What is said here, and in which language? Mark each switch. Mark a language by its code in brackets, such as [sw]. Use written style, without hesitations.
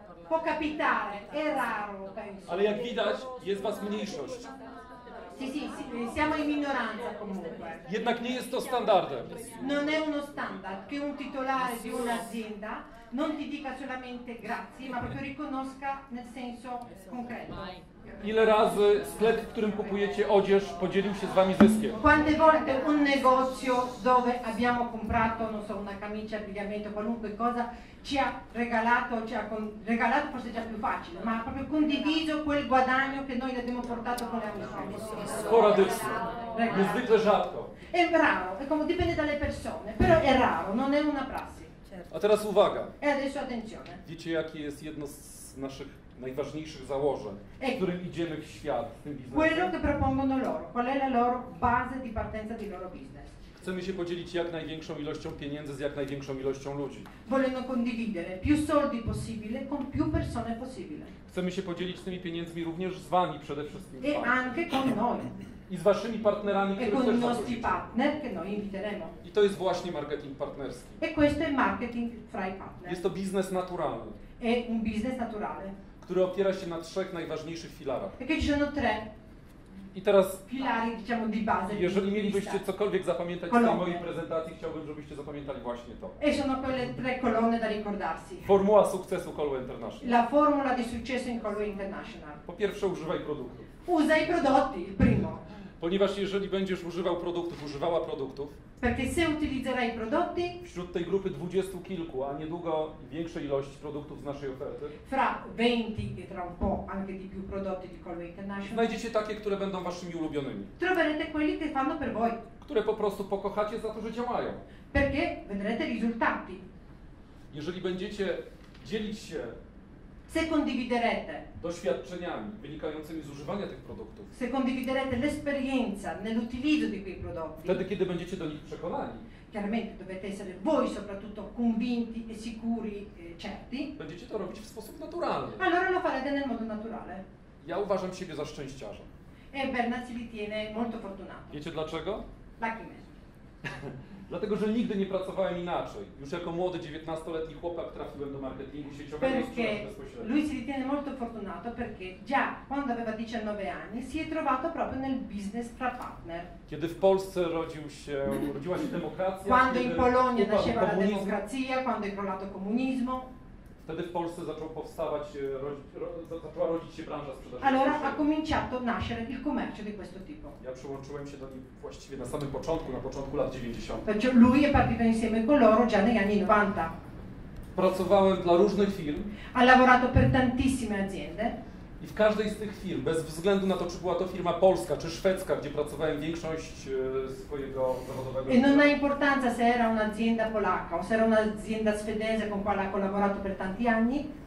[it] Può capitare, è raro, penso. [pl] Ale jak widać, jest was mniejszość. [it] Sì, siamo in minoranza comunque. [pl] Jednak nie jest to standardem. [it] Non è uno standard che un titolare di un'azienda non ti dica solamente grazie, ma proprio riconosca nel senso concreto. [pl] Ile razy sklep, w którym kupujecie odzież, podzielił się z wami zyskiem? [it] Quante volte un negozio dove abbiamo comprato, non so, una camicia, abbigliamento, qualunque cosa, ci ha regalato forse già più facile, ma proprio condiviso quel guadagno che noi abbiamo portato con le amiche. Sporadicamente. [pl] Niezwykle rzadko. [it] È raro, è come, dipende dalle persone, però è raro, non è una prassi. [pl] A teraz uwaga. [it] E adesso attenzione. [pl] Wiecie, jakie jest jedno z naszych najważniejszych założeń, z którym idziemy w świat, w tym biznesie. [it] Quello che propongono loro, qual è la loro base di partenza di loro business. [pl] Chcemy się podzielić jak największą ilością pieniędzy z jak największą ilością ludzi. [it] Vogliono condividere più soldi possibile con più persone possibile. [pl] Chcemy się podzielić tymi pieniędzmi również z wami przede wszystkim. [it] E anche con noi. [pl] I z waszymi partnerami, którzy też zaprosicie. [it] Partner, che noi inviteremo. [pl] I to jest właśnie marketing partnerski. [it] E questo è marketing fra i partner. [pl] Jest to biznes naturalny. [it] È un business naturale. [pl] Który opiera się na trzech najważniejszych filarach. [it] E che ci sono tre. [pl] I teraz [it] filari, diciamo, di base. [pl] Jeżeli mielibyście cokolwiek zapamiętać kolonne. Z tej mojej prezentacji, chciałbym, żebyście zapamiętali właśnie to. [it] E sono quelle tre colonne da ricordarsi. [pl] Formuła sukcesu Colway International. [it] La formula di successo in Colway International. [pl] Po pierwsze, używaj produktu. [it] Usa i prodotti, il primo. [pl] Ponieważ jeżeli będziesz używał produktów, używała produktów, [it] perché se utilizzerai prodotti, [pl] wśród tej grupy 20 kilku, a niedługo większej ilości produktów z naszej oferty, [it] fra 20 e tra un po anche di più prodotti di Colway International, [pl] znajdziecie takie, które będą waszymi ulubionymi. [it] Troverete quelli che fanno per voi. [pl] Które po prostu pokochacie za to, że działają. [it] Perché vedrete risultati. [pl] Jeżeli będziecie dzielić się [it] se condividerete [pl] doświadczeniami wynikającymi z używania tych produktów, [it] se condividerete l'esperienza nell'utilizzo di quei prodotti, [pl] wtedy kiedy będziecie do nich przekonani, [it] chiaramente dovete essere voi soprattutto convinti e sicuri certi, [pl] będziecie to robić w sposób naturalny, [it] allora lo farete nel modo naturale. [pl] Ja uważam siebie za szczęściarza. [it] E Bernard si ritiene molto fortunato. [pl] Wiecie dlaczego? [en] Lucky man. [pl] Dlatego, że nigdy nie pracowałem inaczej. Już jako młody 19-letni chłopak trafiłem do marketingu sieciowego bezpośrednio. [it] Lui si ritiene molto fortunato perché già quando aveva 19 anni si è trovato proprio nel business fra partner. [pl] Kiedy w Polsce rodziła się demokracja, [it] quando in Polonia nasceva la democrazia, quando è crollato comunismo. [pl] Wtedy w Polsce zaczęła rodzić się branża sprzedaży. [it] Allora ha cominciato nascere il commercio di questo tipo. [pl] Ja przyłączyłem się do nich właściwie na samym początku, na początku lat 90. [it] Perciò lui è partito insieme con loro già negli anni 90. [pl] Pracowałem dla różnych firm. [it] Ha lavorato per tantissime aziende. [pl] I w każdej z tych firm, bez względu na to, czy była to firma polska czy szwedzka, gdzie pracowałem większość swojego zawodowego. [it] E non ha importanza se era un'azienda polacca o se era un'azienda svedese con quale ha collaborato per tanti anni.